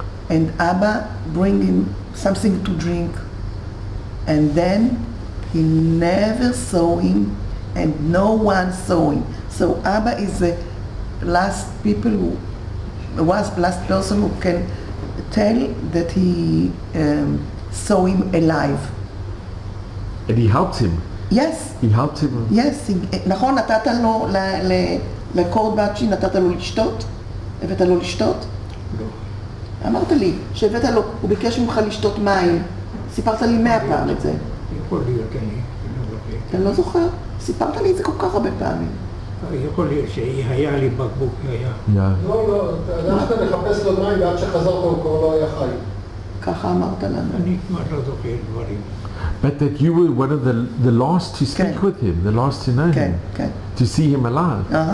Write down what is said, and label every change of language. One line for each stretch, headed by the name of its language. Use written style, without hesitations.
English: And Abba bring him something to drink. And then he never saw him, and no one saw him. So Abba is the last people who, was last person who can tell that he saw him alive. And he helped him? Yes. He helped him? Yes.
Hebrew: נכון, נתת לו לקורד באצ'י, נתת לו לשתות? הבאת לו לשתות? לא. אמרת לי שהבאת לו, הוא ביקש ממך לשתות מים. סיפרת לי 100 פעם את זה. יכול להיות, אני לא זוכר. אתה לא זוכר? סיפרת לי את זה כל כך הרבה פעמים. יכול להיות שהיה לי בקבוק, היה. לא, אתה הלכת לחפש לו מים ועד שחזרת הוא כבר לא היה חי. ככה אמרת לנו. אני כבר לא זוכר דברים.
English: But that you were one of the last to speak okay. with him, the last to know him, to see him alive.